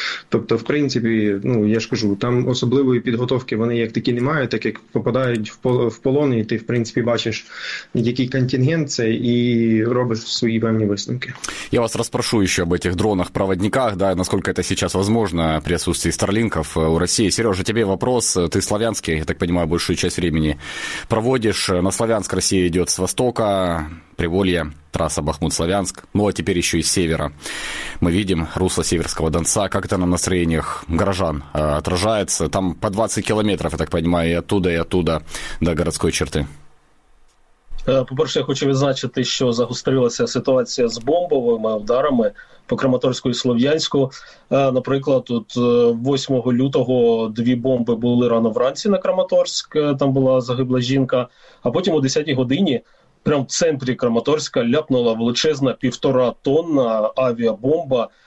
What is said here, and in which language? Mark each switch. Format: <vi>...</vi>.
<uk>Тобто, в принципі, ну я ж кажу, там особливої підготовки вони як такі немає, так як попадають в полон, і ти в принципі бачиш, який контингент це, і робиш свої певні висновки. Я вас розпрошу ще об цих дронах-проводниках, да, наскільки це зараз можливо</uk> <ru>при отсутствии</ru> <uk>старлінків у Росії.</uk> <ru>Сережа, тебе вопрос.</ru> <uk>Ти слов'янський,</uk> <ru>я так понимаю, большую часть времени проводишь. На Славянск Россия идет с востока, Приволье, трасса Бахмут-Славянск. Ну, а теперь еще и с севера. Мы видим русло Северского Донца. Как это на настроениях горожан отражается? Там по 20 километров, я так понимаю, и оттуда до городской черты.</ru> <uk>По-перше, я хочу відзначити, що загострилася ситуація з бомбовими ударами по Краматорську і Слов'янську. Наприклад, тут 8 лютого дві бомби були рано вранці на Краматорськ, там була загибла жінка, а потім о 10 годині прямо в центрі Краматорська ляпнула величезна 1,5-тонна авіабомба.</uk>